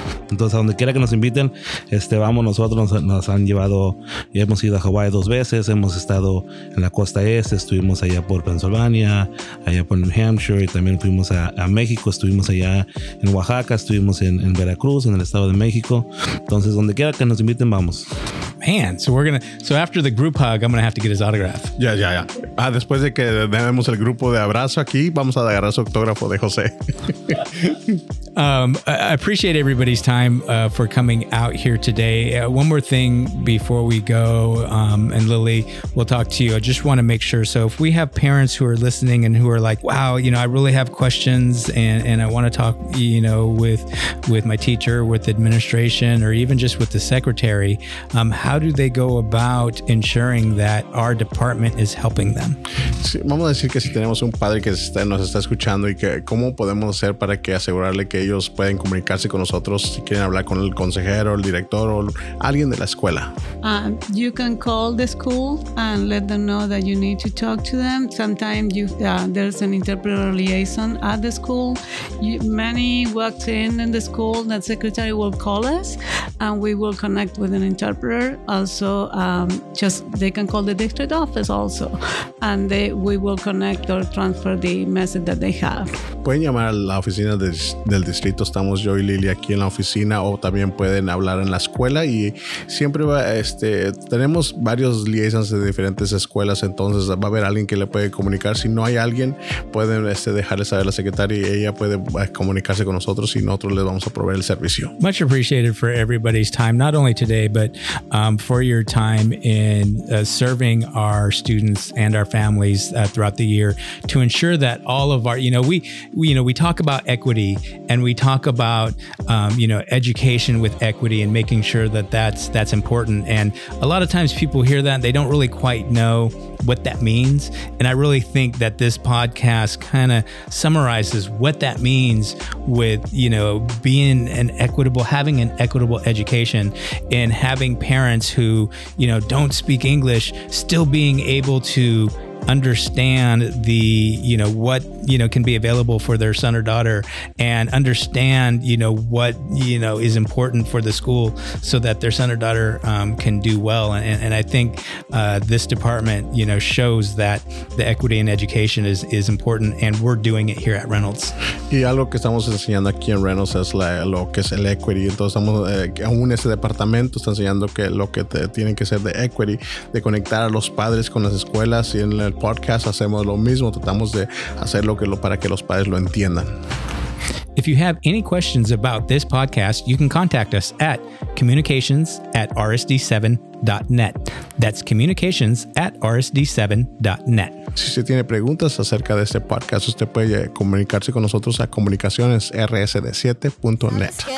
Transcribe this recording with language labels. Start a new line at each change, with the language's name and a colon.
Spanish: Entonces, a donde quiera que nos inviten, vamos nosotros. Nos han llevado, y hemos ido a Hawaii 2 veces. Hemos estado en la costa este. Estuvimos allá por Pennsylvania, allá por New Hampshire, y también fuimos a México. Estuvimos allá en Oaxaca. Estuvimos en Veracruz, en el estado de México. Entonces, donde quiera que nos inviten, vamos.
English: Man, so after the group hug, I'm gonna have to get his autograph. Yeah.
Spanish: Después de que demos el grupo de abrazo aquí, vamos a agarrar su autógrafo de José.
English: I appreciate everybody's time for coming out here today. One more thing before we go, and Lily, we'll talk to you. I just want to make sure. So if we have parents who are listening and who are like, wow, you know, I really have questions and I want to talk, you know, with my teacher, with administration, or even just with the secretary, how do they go about ensuring that our department is helping them?
Spanish: Sí, vamos a decir que si tenemos un padre que nos está escuchando y que cómo podemos hacer para que asegurarle que ellos pueden comunicarse con nosotros si quieren hablar con el consejero, el director o alguien de la escuela.
English: You can call the school and let them know that you need to talk to them. Sometimes there's an interpreter liaison at the school. Many walked in the school, that secretary will call us and we will connect with an interpreter. Also, just they can call the district office also, and we will connect or transfer the message that they have.
Spanish: Pueden llamar a la oficina del distrito. Estamos yo y Lily aquí en la oficina, o también pueden hablar en la escuela, y siempre va, tenemos varios liaisons de diferentes escuelas. Entonces va a haber alguien que le puede comunicar. Si no hay alguien, pueden dejarle saber a la secretaria y ella puede comunicarse con nosotros, y nosotros les vamos a proveer el servicio.
English: Much appreciated for everybody's time, not only today, but for your time in serving our students and our families throughout the year, to ensure that all of our, you know, we talk about equity, and we talk about you know, education with equity, and making sure that that's important. And a lot of times people hear that and they don't really quite know what that means, and I really think that this podcast kind of summarizes what that means with, you know, being an equitable, having an equitable education, and having parents who, you know, don't speak English still being able to understand the, you know, what, you know, can be available for their son or daughter, and understand, you know, what, you know, is important for the school so that their son or daughter can do well. And I think this department, you know, shows that the equity in education is important, and we're doing it here at Reynolds.
Spanish: Y algo que estamos enseñando aquí en Reynolds es lo que es el equity. Entonces, estamos, aún ese departamento está enseñando que lo que tiene que ser de equity, de conectar a los padres con las escuelas. Y en el podcast hacemos lo mismo, tratamos de hacer lo que lo para que los padres lo entiendan.
English: If you have any questions about this podcast, you can contact us at communications@rsd7.net. That's communications@rsd7.net.
Spanish: Si usted tiene preguntas acerca de este podcast, usted puede comunicarse con nosotros a comunicaciones@rsd7.net.